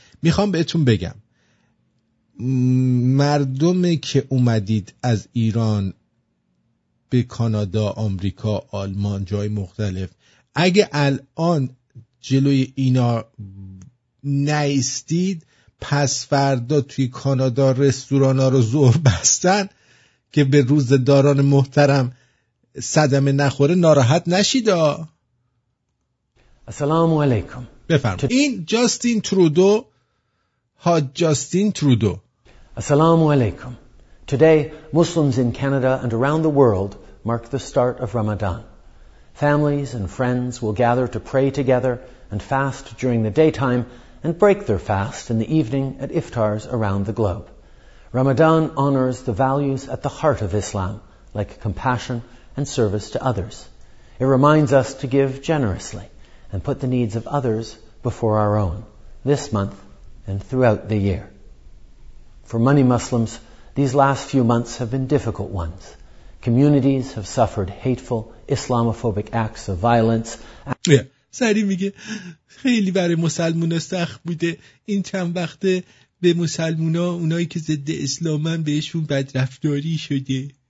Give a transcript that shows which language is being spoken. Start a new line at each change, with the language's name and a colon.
Persian: میخوام بهتون بگم مردمی که اومدید از ایران به کانادا، آمریکا، آلمان، جای مختلف، اگه الان جلوی اینا نایستید پس فردا توی کانادا رستوران ها رو زور بستن که به روز داران محترم صدمه نخوره، ناراحت نشید. السلام علیکم. بفرم. این جاستین ترودو، ها جاستین ترودو. السلام علیکم.
English: Today Muslims in Canada and around the world mark the start of Ramadan. Families and friends will gather to pray together and fast during the daytime and break their fast in the evening at iftars around the globe. Ramadan honors the values at the heart of Islam, like compassion and service to others. It reminds us to give generously and put the needs of others before our own, this month and throughout the year. For many Muslims, these last few months have been difficult ones. Communities have suffered hateful Islamophobic acts of violence.
Persian: سری میگه خیلی برای مسلمان سخت بوده این چند وقته، به مسلمان ها اونایی که ضد اسلام هم بهشون بدرفتاری شده.